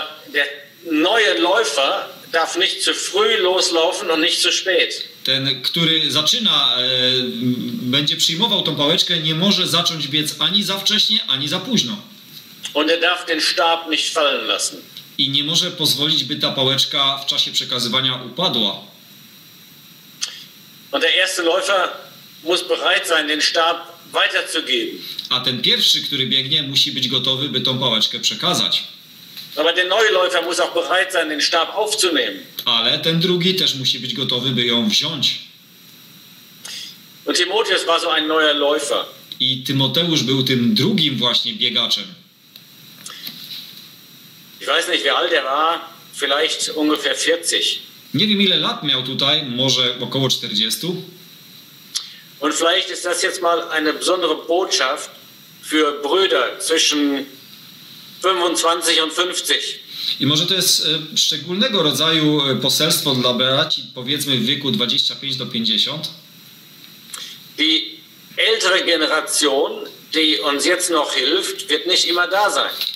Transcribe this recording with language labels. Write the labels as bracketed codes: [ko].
[de] Der neue Läufer darf nicht zu früh loslaufen und nicht zu spät. [pl] Ten, który zaczyna, będzie przyjmował tą pałeczkę, nie może zacząć biec ani za wcześnie, ani za późno. [de] Und er darf den Stab nicht fallen lassen. [pl] I nie może pozwolić, by ta pałeczka w czasie przekazywania upadła. [de] Und der erste Läufer muss bereit sein, den Stab weiterzugeben. [pl] A ten pierwszy, który biegnie, musi być gotowy, by tą pałeczkę przekazać. [de] Aber der neue Läufer muss auch bereit sein, den Stab aufzunehmen. [pl] Ale ten drugi też musi być gotowy, by ją wziąć. [de] Und Timotheus war so ein neuer Läufer. [pl] I Tymoteusz był tym drugim właśnie biegaczem. [de] Ich weiß nicht, wie alt er war, vielleicht ungefähr 40. [pl] Nie wiem, ile lat miał tutaj, może około 40. [de] Und vielleicht ist das jetzt mal eine besondere Botschaft für Brüder zwischen 25 und 50. [pl] I może to jest szczególnego rodzaju poselstwo dla braci, powiedzmy w wieku 25 do 50. [de] Die ältere Generation, die uns jetzt noch hilft, wird nicht immer da sein.